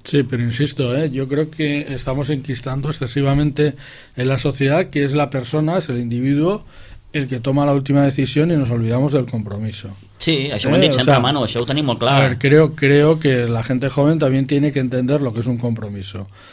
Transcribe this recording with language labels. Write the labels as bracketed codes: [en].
[es] Sí, pero insisto, yo creo que estamos enquistando excesivamente en la sociedad, que es la persona, es el individuo, el que toma la última decisión, y nos olvidamos del compromiso. [ca] Sí, això ho hem dit sempre, Manu, això ho tenim molt clar. [es] A ver, creo que la gente joven también tiene que entender lo que es un compromiso.